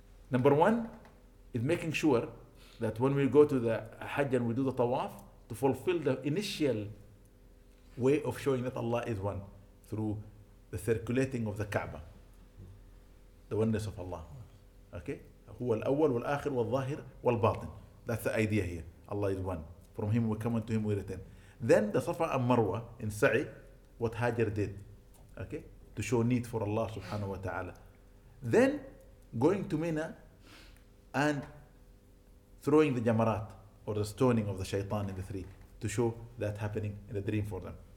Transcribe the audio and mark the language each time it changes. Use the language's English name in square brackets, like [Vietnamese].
[English] Number one is making sure that when we go to the Hajj and we do the tawaf, to fulfill the initial way of showing that Allah is one through the circulating of the Kaaba, the oneness of Allah. Okay? [Arabic] هو الأول والآخر والظاهر والباطن. [English] That's the idea here. Allah is one. From him we come and to him we return. Then the Safa and Marwa in Sa'i, what Hajar did. Okay? To show need for Allah subhanahu wa ta'ala. Then going to Mina and throwing the jamarat or the stoning of the shaitan in the three to show that happening in the dream for them.